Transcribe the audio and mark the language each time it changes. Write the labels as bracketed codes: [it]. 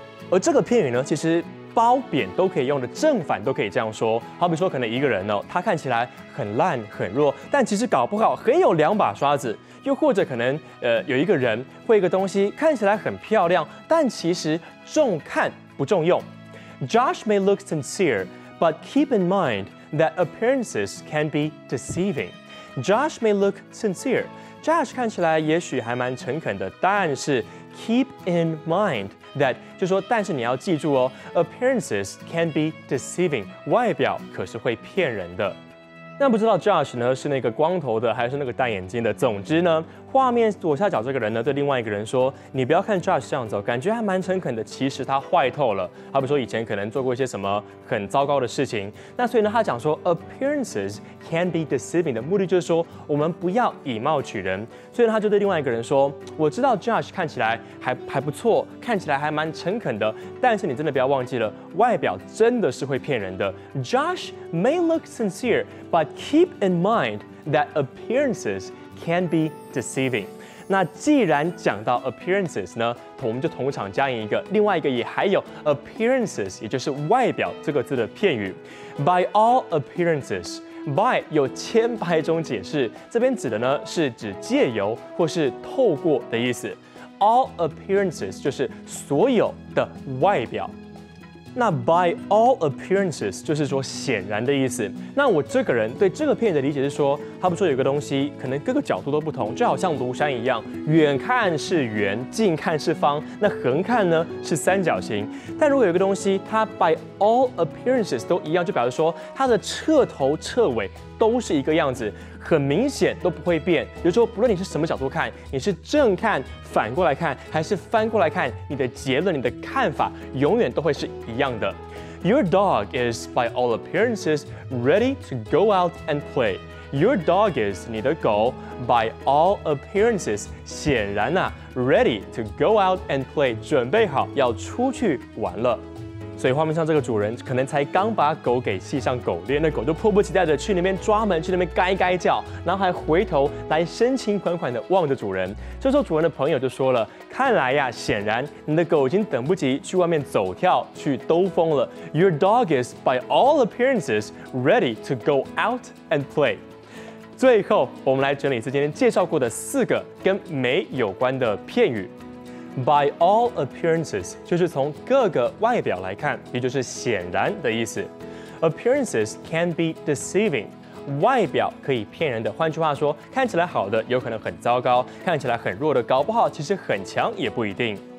[zh] 而这个片语呢，其实褒贬都可以用的，正反都可以这样说。好比说，可能一个人呢，他看起来很烂很弱，但其实搞不好很有两把刷子。又或者可能有一个人会一个东西看起来很漂亮，但其实重看不重用。 [en] Josh may look sincere, but keep in mind that appearances can be deceiving. Josh may look sincere. [zh] Josh 看起来也许还蛮诚恳的，但是 [en] keep in mind that [zh] 就说，但是你要记住哦， [en] appearances can be deceiving. [zh] 外表可是会骗人的。那不知道 Josh 呢是那个光头的还是那个戴眼镜的，总之呢，画面左下角这个人呢对另外一个人说，你不要看 Josh 这样子，感觉还蛮诚恳的，其实他坏透了，好比说以前可能做过一些什么很糟糕的事情。那所以呢，他讲说 [en] appearances can be deceiving [zh] 的目的就是说，我们不要以貌取人。所以呢，他就对另外一个人说，我知道 Josh 看起来 还不错，看起来还蛮诚恳的，但是你真的不要忘记了，外表真的是会骗人的。 [en] Josh may look sincere, but keep in mind that appearancescan be deceiving. [zh] 那既然讲到 appearances 呢，我们就同场加引一个，另外一个也还有 appearances， 也就是外表这个字的片语。 [en] By all appearances, [zh] by 有千百种解释，这边指的呢是指借由或是透过的意思。 [en] All appearances [zh] 就是所有的外表。那 [en] by all appearances [zh] 就是说显然的意思。那我这个人对这个片的理解是说，他不说有个东西可能各个角度都不同，就好像庐山一样，远看是圆，近看是方，那横看呢是三角形。但如果有个东西它 [en] by all appearances [zh] 都一样，就表示说它的彻头彻尾都是一个样子，很明显都不会变。也就是说，不论你是什么角度看，你是正看、反过来看，还是翻过来看，你的结论、你的看法永远都会是一样的。 [en] Your dog is, by all appearances, ready to go out and play. Your dog is, [zh] 你的狗 [en] by all appearances, [zh] 显然啊 [en] ready to go out and play, [zh] 准备好要出去玩了。所以画面上这个主人可能才刚把狗给系上狗链，那狗就迫不及待的去那边抓门，去那边该该叫，然后还回头来深情款款的望着主人。这时候主人的朋友就说了，看来呀，显然你的狗已经等不及去外面走跳去兜风了。 [en] Your dog is by all appearances ready to go out and play。 [zh] 最后我们来整理一次今天介绍过的四个跟没有关的片语。 [en] By all appearances [zh] 就是从各个外表来看，也就是显然的意思。 [en] Appearances can be deceiving， [zh] 外表可以骗人的，换句话说，看起来好的有可能很糟糕，看起来很弱的搞不好其实很强也不一定。